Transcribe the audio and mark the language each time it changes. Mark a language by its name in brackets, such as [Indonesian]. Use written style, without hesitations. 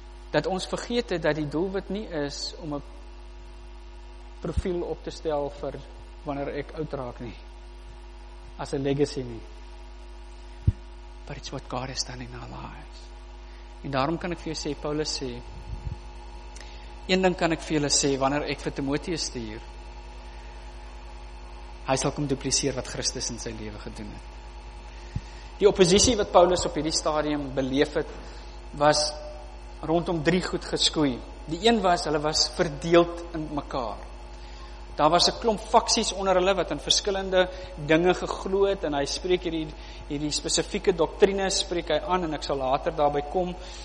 [Afrikaans] Dat ons vergeet dat die doelwit nie is om 'n profiel op te stel vir wanneer ek oud raak nie. As 'n legacy nie. [English] But it's what God has done in our lives. [Afrikaans] En daarom kan ek vir jou sê, Paulus sê, een ding kan ek vir julle sê, wanneer ek vir Timoteus stuur, hy sal kom dupliseer wat Christus in sy lewe gedoen het. Die oppositie wat Paulus op hierdie stadium beleef het, was rondom drie goed geskoei. Die een was, hulle was verdeeld in mekaar. Daar was 'n klomp faksies onder hulle wat in verskillende dinge geglo het, en hy spreek hierdie spesifieke doktrine, spreek hy aan, en ek sal later daarby kom.